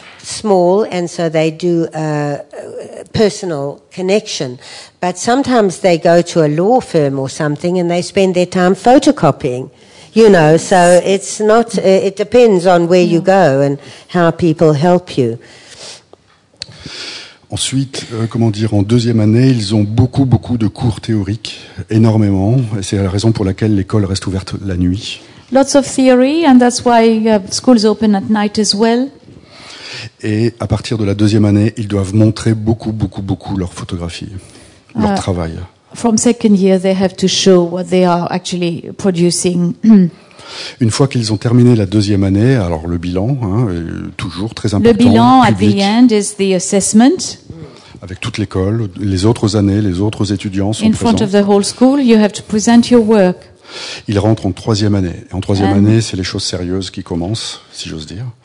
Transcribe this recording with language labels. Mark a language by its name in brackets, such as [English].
[English] Small, and so they do a personal connection. But sometimes they go to a law firm or something and they spend their time photocopying, you know. So it's not, it depends on where you go and how people help you. [French] Ensuite, comment dire, en deuxième année, ils ont beaucoup, beaucoup de cours théoriques, énormément. Et c'est la raison pour laquelle l'école reste ouverte la nuit. [English] Lots of theory, and that's why schools open at night as well. [French] Et à partir de la deuxième année, ils doivent montrer beaucoup, beaucoup, beaucoup leur photographie, leur travail. [English] From second year, they have to show what they are actually producing. [French] Une fois qu'ils ont terminé la deuxième année, alors le bilan, hein, est toujours très important. Le bilan, public, [English] at the end, is the assessment. [French] Avec toute l'école, les autres années, les autres étudiants sont [English] in front [French] présents. [English] Of the whole school, you have to present your work. [French] Il rentre en troisième année. Et en troisième année, c'est les choses sérieuses qui commencent, si j'ose dire.